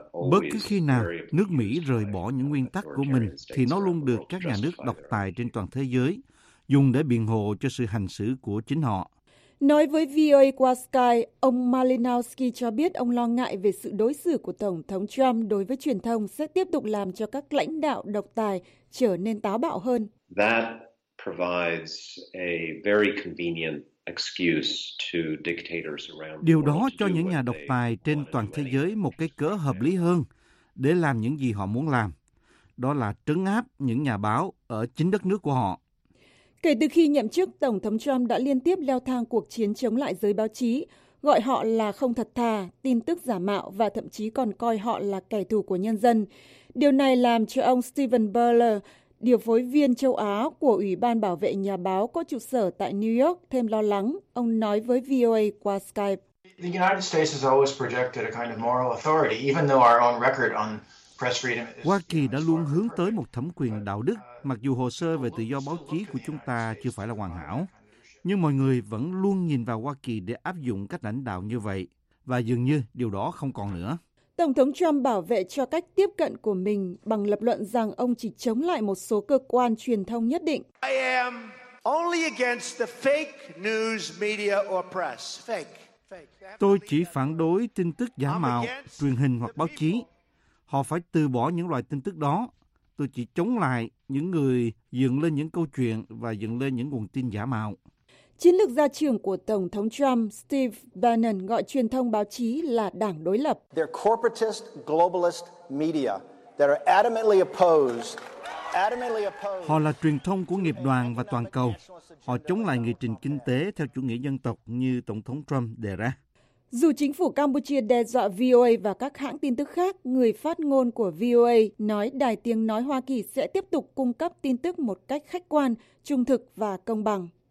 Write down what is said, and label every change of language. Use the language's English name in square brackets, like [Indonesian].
[Vietnamese] Bất cứ khi nào nước Mỹ rời bỏ những nguyên tắc của mình, thì nó luôn được các nhà nước độc tài trên toàn thế giới dùng để biện hộ cho sự hành xử của chính họ. Nói với VOA qua Sky, ông Malinowski cho biết ông lo ngại về sự đối xử của Tổng thống Trump đối với truyền thông sẽ tiếp tục làm cho các lãnh đạo độc tài trở nên táo bạo hơn. [English] That provides a very convenient excuse to dictators around. [Vietnamese] Điều đó cho những nhà độc tài trên toàn thế giới một cái cớ hợp lý hơn để làm những gì họ muốn làm. Đó là trấn áp những nhà báo ở chính đất nước của họ. Kể từ khi nhậm chức, Tổng thống Trump đã liên tiếp leo thang cuộc chiến chống lại giới báo chí, gọi họ là không thật thà, tin tức giả mạo và thậm chí còn coi họ là kẻ thù của nhân dân. Điều này làm cho ông Stephen Butler, điều phối viên châu Á của Ủy ban Bảo vệ Nhà báo có trụ sở tại New York, thêm lo lắng. Ông nói với VOA qua Skype. [English] The United States has always projected a kind of moral authority, even though our own record on press freedom is... [Vietnamese] Hoa Kỳ đã luôn hướng tới một thẩm quyền đạo đức, mặc dù hồ sơ về tự do báo chí của chúng ta chưa phải là hoàn hảo, nhưng mọi người vẫn luôn nhìn vào Hoa Kỳ để áp dụng cách lãnh đạo như vậy, và dường như điều đó không còn nữa. Tổng thống Trump bảo vệ cho cách tiếp cận của mình bằng lập luận rằng ông chỉ chống lại một số cơ quan truyền thông nhất định. [English] I am only against the fake news media or press. Fake. [Vietnamese] Tôi chỉ phản đối tin tức giả mạo, truyền hình hoặc báo chí. Họ phải từ bỏ những loại tin tức đó. Tôi chỉ chống lại những người dựng lên những câu chuyện và dựng lên những nguồn tin giả mạo. Chiến lược gia trưởng của Tổng thống Trump, Steve Bannon, gọi truyền thông báo chí là đảng đối lập. [English] They're corporatist, globalist media that are adamantly opposed. [Vietnamese] Họ là truyền thông của nghiệp đoàn và toàn cầu. Họ chống lại nghị trình kinh tế theo chủ nghĩa dân tộc như Tổng thống Trump đề ra. Dù chính phủ Campuchia đe dọa VOA và các hãng tin tức khác, người phát ngôn của VOA nói đài tiếng nói Hoa Kỳ sẽ tiếp tục cung cấp tin tức một cách khách quan, trung thực và công bằng.